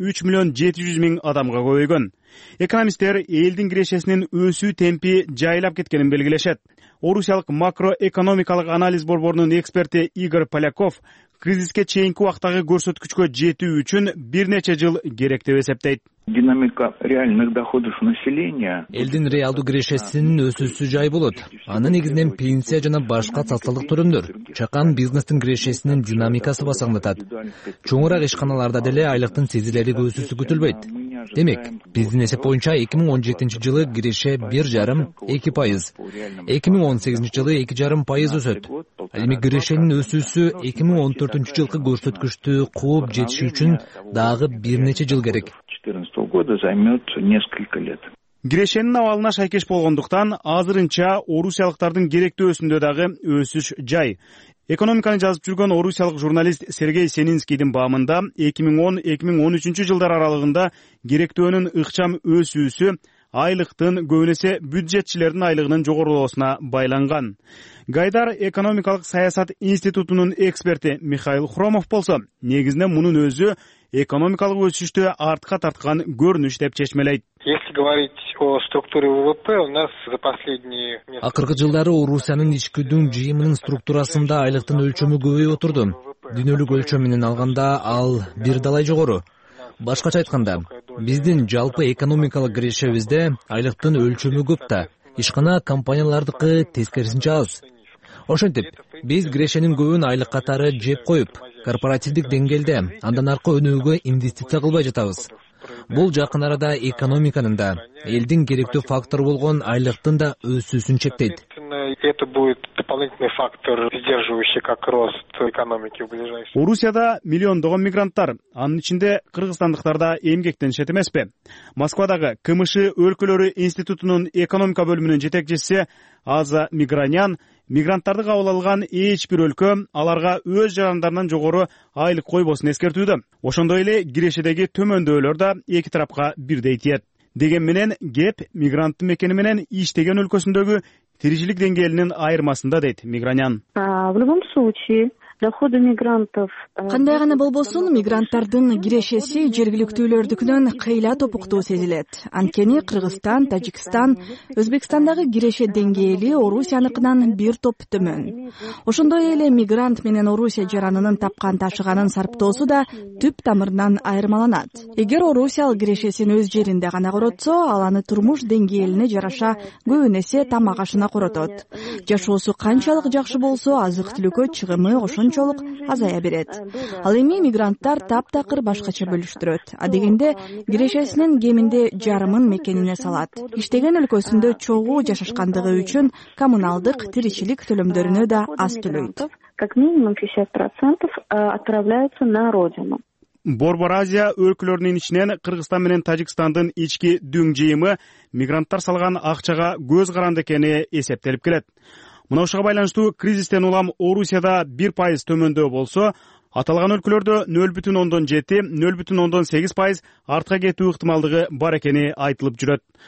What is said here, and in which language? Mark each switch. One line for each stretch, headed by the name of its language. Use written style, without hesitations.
Kyrgyz: 3,700,000 адамга көбөйгөн. Экономисттер элдин кирешесинин өсүү темпи жайлап кеткенин белгилешет. Орусиялык макроэкономикалык анализ борборунун эксперти Игорь Поляков кризиске чейинки убакыттагы көрсөткүчкө жетүү үчүн бир нече жыл керек деп эсептейт.
Russian: Динамика реальных доходов населения.
Kyrgyz: Элдин реалдуу кирешесинин өсүүсү жай болот. Анын негизинен пенсия жана башка социалдык төлөмдөр. Чакан бизнестин кирешесинин динамикасы басаңдатат. Чоңураак ишканаларда деле айлыктын сезилерлик өсүүсү күтүлбөйт. Демек, биздин эсеп боюнча 2017 жылы киреше 1,5-2%, 2018 жылы 2,5% өсөт. Ал эми кирешенин өсүүсү 2014 жылкы көрсөткүчтү кууп жетиши үчүн дагы бир нече жыл керек.
Russian: 2014 года займет несколько лет.
Kyrgyz: Кирешенин абалына шайкеш болгондуктан азырынча орусиялыктардын керектөөсүндө дагы өсүш жай. Экономиканы жазып жүргөн орусиялык журналист Сергей Сенинскийдин баамында 2010-2013 жылдар аралыгында керектөөнүн ыкчам өсүүсү айлыктын көбүн эсе бюджетчилердин айлыгынын жогорулоосуна байланган. Гайдар экономикалык саясат институтунун эксперти Михаил Хромов болсо, негизинен мунун өзү экономикалык өсүштө артка тарткан көрүнүш деп чечмелейт.
Russian: Если говорить о структуре ВВП, у нас за последние
Kyrgyz: акыркы жылдары Орусиянын ички дүн жыйымынын структурасында айлыктын өлчөмү көбөйүп отурду. Дүйнөлүк өлчөм менен алганда ал бир далай жогору. Башкача айтканда, биздин жалпы экономикалык кирешебизде айлыктын өлчөмү көп да, ишкана компаниялардыкы тескерисинче аз. Ошентип, биз кирешенин көбүн айлык катары жеп коюп, корпоративдик деңгээлде андан аркы өнүгүүгө инвестиция кылбай жатабыз. Бул жакын арада экономиканын да, элдин керектүү фактору болгон айлыктын да өсүүсүн чектейт.
Russian: Это будет дополнительный фактор, сдерживающий как рост экономики в ближайшее.
Kyrgyz: Орусияда миллиондогон мигранттар, анын ичинде кыргызстандыктар да эмгектенишет эмеспи? Москвадагы КМШ өлкөлөрү институтунун экономика бөлүмүнүн жетекчиси Аза Мигранян мигранттарды кабыл алган эч бир өлкө аларга өз жарандарынан жогору айлык койбосун эскертүүдө. Ошондой эле кирешедеги төмөндөөлөр да эки тарапка бирдей тиет. Деген менен кеп мигранттын мекени менен иштеген өлкөсүндөгү тиричилик деңгээлинин айырмасында, дейт Мигранян.
Russian: В любом случае доходы мигрантов.
Kyrgyz: Кандай гана болбосун, мигранттардын кирешеси жергиликтүүлөрдүкүнөн кыйла топуктуу сезилет. Анткени Кыргызстан, Тажикстан, Өзбекстандагы киреше деңгээли Орусиянынкынан бир топ төмөн. Ошондой эле мигрант менен Орусия жаранынын тапкан ташыганын сарптоосу да түп тамырынан айырмаланат. Эгер орусиялык кирешесин өз жеринде гана коротсо, ал аны турмуш деңгээлине жараша көбүн эсе тамак ашына коротот. Жашоосу канчалык жакшы болсо, азык-түлүккө чыгымы ошончолук азая берет. Ал эми мигранттар таптакыр башкача бөлүштүрөт. Адегенде кирешесинин кеминде жарымын мекенине салат. Иштеген өлкөсүндө чогуу жашашкандыгы үчүн коммуналдык тиричилик төлөмдөрүнө да аз төлөйт.
Russian: Как минимум 50% отправляются на родину.
Kyrgyz: Борбор Азия өлкөлөрүнүн ичинен Кыргызстан менен Тажикстандын ички дүн жыйымы мигранттар салган акчага көз каранды экени эсептелип келет. Мына ушуга байланыштуу кризистен улам Орусияда 1% төмөндөө болсо, аталган өлкөлөрдө 0,7-0,8% артка кетүү ыктымалдыгы бар экени айтылып жүрөт.